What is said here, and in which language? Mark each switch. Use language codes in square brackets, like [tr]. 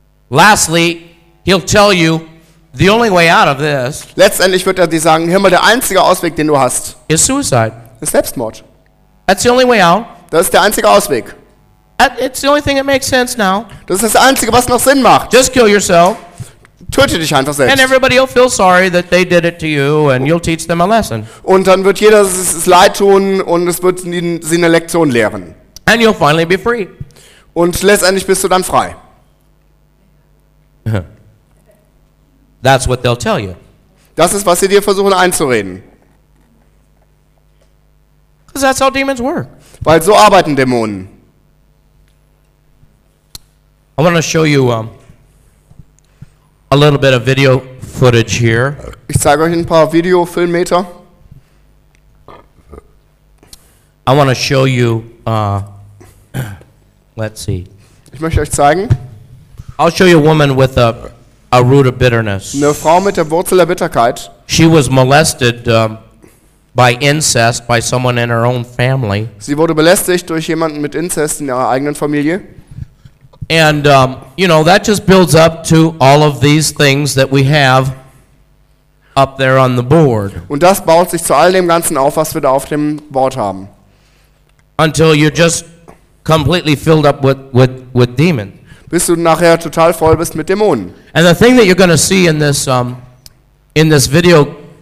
[en] Lastly, he'll tell you the only way out of this. [de] Letztendlich wird dir sagen, hör mal, der einzige Ausweg, den du hast, [en] is suicide. [de] Ist Selbstmord. [en] That's the only way out. [de] Das ist der einzige Ausweg. [en] It's the only thing that makes sense now. [de] Das ist das Einzige, was noch Sinn macht. [en] Just kill yourself. [de] Töte dich einfach selbst. [en] And everybody will feel sorry that they did it to you, and you'll teach them a lesson. [de] Und dann wird jeder es leid tun und es wird ihnen sie eine Lektion lehren. [en] And you'll finally be free. [de] Und letztendlich bist du dann frei. [en] That's what they'll tell you. [de] Das ist, was sie dir versuchen einzureden. [en] Because that's how demons work. [de] Weil so arbeiten Dämonen. [en] I want to show you a little bit of video footage here. [de] Ich zeige euch ein paar Videofilmmeter. [en] I want to show you let's see. [de] Ich möchte euch zeigen. [en] I'll show you a woman with a root of bitterness. [de] Eine Frau mit der Wurzel der Bitterkeit. [en] She was molested by incest by someone in her own family. [de] Sie wurde belästigt durch jemanden mit Inzest in ihrer eigenen Familie. [en] And you know, that just builds up to all of these things that we have up there on the board. [de] Und das baut sich zu all dem ganzen auf, was wir da auf dem Board haben. [en] Until you're just completely filled up with demons. [de] Bis du nachher total voll bist mit Dämonen. [en] And the thing that you're going to see in this video.